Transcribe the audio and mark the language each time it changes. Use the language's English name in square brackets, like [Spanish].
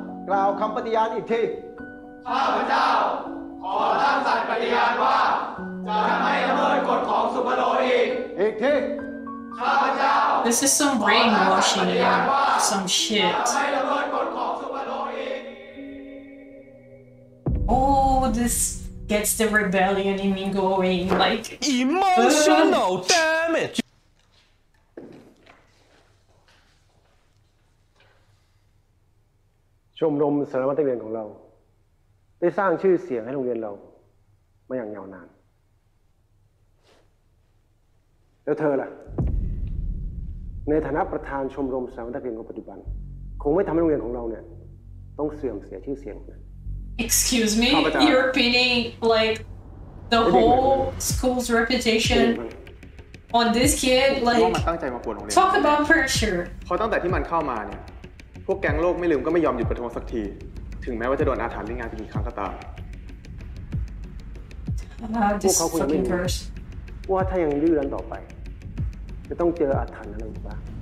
[Thai] กล่าวคำปฏิญาณอีกที ข้าพเจ้าขอตั้งสัตย์ปฏิญาณว่าจะไม่ละเมิดกฎของสุภโลอีก อีกที ข้าพเจ้า [English] This is some brainwashing some shit [Thai] จะไม่ละเมิดกฎของสุภโลอีก [English] Oh thisGets the rebellion in me going like emotional damage. [Thai] ชมรมสารวัตรเรียนของเราได้สร้างชื่อเสียงให้โรงเรียนเรามาอย่างยาวนานแล้วเธอล่ะในฐานะประธานชมรมสารวัตรเรียนของปัจจุบันคงไม่ทำให้โรงเรียนของเราเนี่ยต้องเสื่อมเสียชื่อเสียง [English] Excuse me, you're pinning like the whole school's reputation on this kid. Like, talk about pressure. [Thai] พอตั้งแต่ที่มันเข้ามาเนี่ยพวกแก๊งโลกไม่ลืมก็ไม่ยอมหยุดประท้วงสักทีถึงแม้ว่าจะโดนอาถรรพ์เรื่องงานไปกี่ครั้งก็ตาม พวกเขาคุยไม่รู้ว่าถ้ายังยืดรันต่อไปจะต้องเจออาถรรพ์อะไรอีกบ้าง